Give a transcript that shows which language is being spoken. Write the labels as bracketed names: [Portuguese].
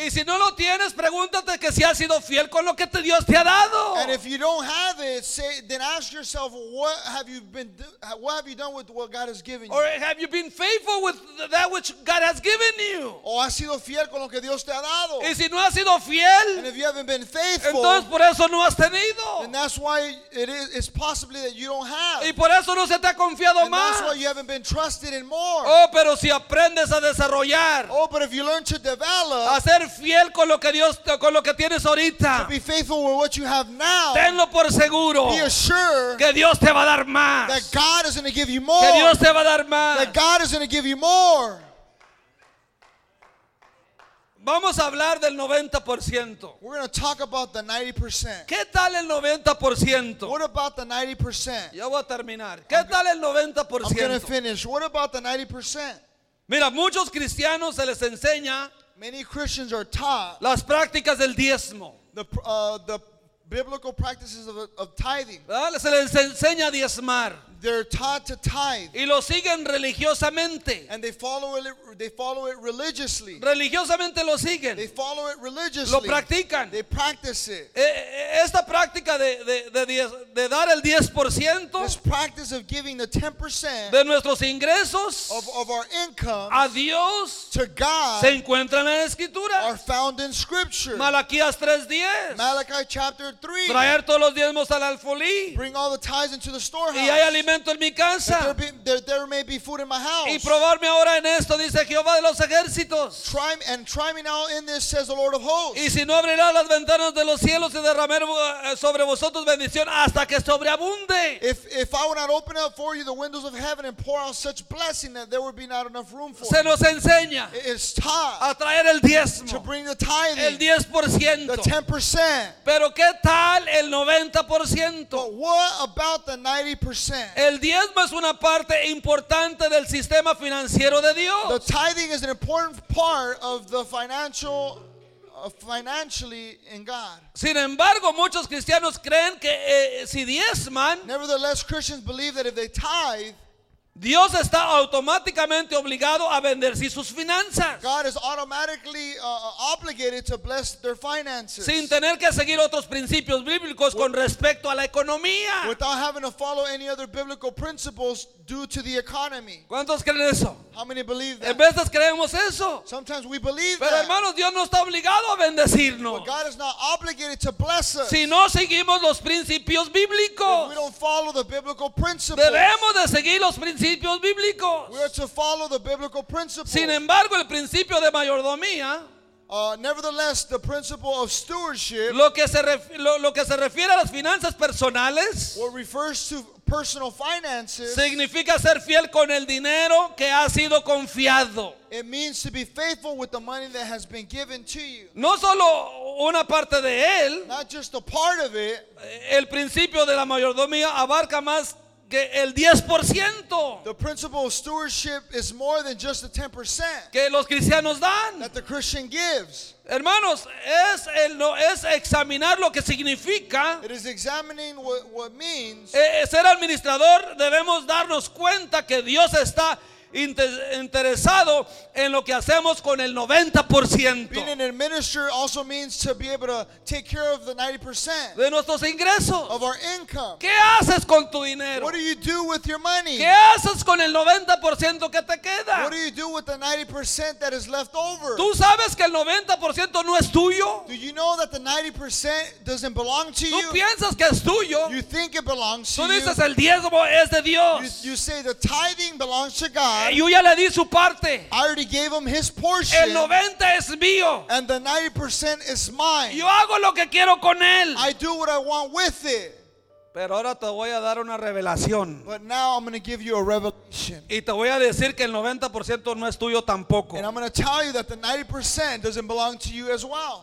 [Spanish] Y si no lo tienes, pregúntate que si has sido fiel con lo que Dios te ha dado. [English] And if you don't have it, say, then ask yourself, what have you done with what God has given you? Or have you been faithful with that which God has given you? [Spanish] O has sido fiel con lo que Dios te ha dado. Y si no has sido fiel, [English] and if you haven't been faithful, [Spanish] entonces por eso no has tenido. [English] And that's why it is possibly that you don't have. [Spanish] Y por eso no se te ha confiado [English] and [Spanish] más. [English] That's why you haven't been trusted in more. [Spanish] Oh, pero si aprendes a desarrollar. [English] Oh, but if you learn to develop. [Spanish] A ser fiel con lo que Dios, con lo que tienes ahorita. [English] To be faithful with what you have now. [Spanish] Tenlo por seguro. [English] Be assured. [Spanish] Que Dios te va a dar más. [English] That God is going to give you more. [Spanish] Que Dios te va a dar más. [English] That God is going to give you more. [Spanish] Vamos a hablar del 90%. [English] We're going to talk about the 90%. [Spanish] ¿Qué tal el 90%? [English] What about the 90%? [Spanish] Ya voy a terminar. ¿Qué tal el 90%? [English] I'm going to finish. What about the 90%? [Spanish] Mira, muchos cristianos se les enseña. [English] Many Christians are taught. [Spanish] Las prácticas del diezmo. [English] The biblical practices of tithing. [Spanish] ¿Vale? Se les enseña a diezmar. [English] They're taught to tithe. [Spanish] Y lo siguen religiosamente. [English] And they follow it religiously. [Spanish] Religiosamente lo siguen. [English] They follow it religiously. [Spanish] Lo practican. [English] They practice it. [Spanish] Esta práctica de dar el 10%. [English] This practice of giving the 10%. [Spanish] De nuestros ingresos. [English] Of our income. [Spanish] A Dios. [English] To God. [Spanish] Se encuentran en la escritura. [English] Are found in scripture. [Spanish] Malaquías 3:10. [English] Malachi chapter 3. [Spanish] Traer todos los diezmos al alfolí. [English] Bring all the tithes into the storehouse. [Spanish] Alimento en mi casa. [English] There may be food in my house. [Spanish] Y probarme ahora en esto, dice Jehová de los ejércitos. [English] Try me now in this, says the Lord of hosts. [Spanish] Y si no abrirá las ventanas de los cielos y derramaré sobre vosotros bendición hasta que sobreabunde. [English] If I would not open up for you the windows of heaven and pour out such blessing that there would be not enough room for. [Spanish] Se nos enseña. [English] It's taught. [Spanish] A traer el diezmo. [English] To bring the tithing. [Spanish] El 10%. [English] The 10%. [Spanish] Pero qué tal el 90%. [English] But what about the 90%? [Spanish] El diezmo es una parte importante del sistema financiero de Dios. [English] The tithing is an important part of the financial, financially in God. [Spanish] Sin embargo, muchos cristianos creen que si diezman, [English] nevertheless, Christians believe that if they tithe, [Spanish] Dios está automáticamente obligado a bendecir sus finanzas. [English] God is automatically obligated to bless their finances. [Spanish] Sin tener que seguir otros principios bíblicos con respecto a la economía. [English] Without having to follow any other biblical principles due to the economy. [Spanish] ¿Cuántos creen eso? [English] How many believe that? [Spanish] En veces creemos eso. [English] Sometimes we believe [Spanish] Pero [English] that. [Spanish] Pero hermanos, Dios no está obligado a bendecirnos. [English] But God is not obligated to bless us. [Spanish] Si no seguimos los principios bíblicos. [English] If we don't follow the biblical principles. [Spanish] Debemos de seguir los principios bíblicos. [English] We are to follow the biblical principles. [Spanish] Sin embargo, el principio de mayordomía. [English] Nevertheless, the principle of stewardship. [Spanish] Lo que se refiere a las finanzas personales. [English] What refers to personal finances. [Spanish] Significa ser fiel con el dinero que ha sido confiado. [English] It means to be faithful with the money that has been given to you. [Spanish] No solo una parte de él. [English] Not just a part of it. [Spanish] El principio de la mayordomía abarca más que el 10%. [English] The principle of stewardship is more than just the 10%. [Spanish] Que los cristianos dan. [English] That the Christian gives. [Spanish] Hermanos, es examinar lo que significa. [English] It is examining what means. [Spanish] Ser administrador, debemos darnos cuenta que Dios está interesado en lo que hacemos con el 90%. [English] Being an administrator also means to be able to take care of the 90% [Spanish] de nuestros ingresos. [English] Of our income. [Spanish] ¿Qué haces con tu dinero? [English] What do you do with your money? [Spanish] ¿Qué haces con el 90% que te queda? [English] What do you do with the 90% that is left over? [Spanish] ¿Tú sabes que el 90% no es tuyo? [English] Do you know that the 90% doesn't belong to you? [Spanish] ¿Tú piensas que es tuyo? [English] You think it belongs to you. [Spanish] Tú dices el diezmo es de Dios. [English] You say the tithing belongs to God. [Spanish] Yo ya le di su parte. [English] I already gave him his portion. [Spanish] El 90 es mío. [English] And the 90% is mine. [Spanish] Yo hago lo que quiero con él. [English] I do what I want with it. [Spanish] Pero ahora te voy a dar una revelación. [English] But now I'm going to give you a revelation. [Spanish] Y te voy a decir que el 90% no es tuyo tampoco. [English] And I'm going to tell you that the 90% doesn't belong to you as well.